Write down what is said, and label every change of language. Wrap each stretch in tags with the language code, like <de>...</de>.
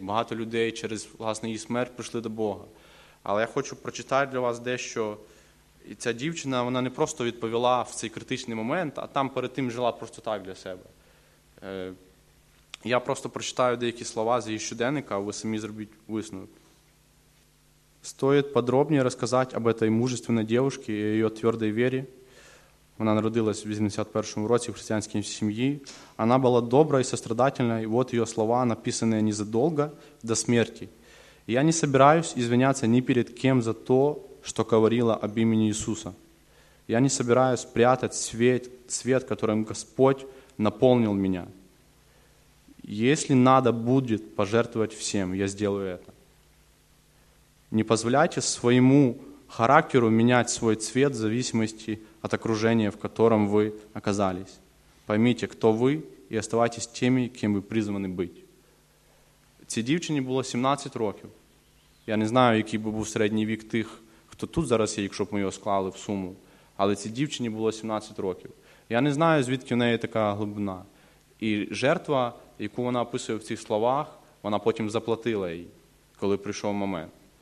<uk>Багато людей через, власне, її смерть прийшли до Бога. Але я хочу прочитати для вас дещо. І ця дівчина, вона не просто відповіла в цей критичний момент, а там перед тим жила просто так для себе. Я просто прочитаю деякі слова з її щоденника, ви самі зробіть висновок.</uk> <ru>Стоит подробнее рассказать об этой мужественной девушке и ее твердой вере. Она родилась в 81-м году в христианской семье. Она была добра и сострадательна. И вот ее слова, написанные незадолго до смерти. Я не собираюсь извиняться ни перед кем за то, что говорила об имени Иисуса. Я не собираюсь прятать свет, которым Господь наполнил меня. Если надо будет пожертвовать всем, я сделаю это. Не позволяйте своему характеру менять свой цвет в зависимости от окружения, в котором вы оказались. Поймите, кто вы, и оставайтесь теми, кем вы призваны быть.</ru> <uk>Цій дівчині було 17 років. Я не знаю, який би був середній вік тих, хто тут зараз є, якщо б ми його склали в суму. Але цій дівчині було 17 років. Я не знаю, звідки в неї така глибина. І жертва, яку вона описує в цих словах, вона потім заплатила їй, коли прийшов момент.</uk>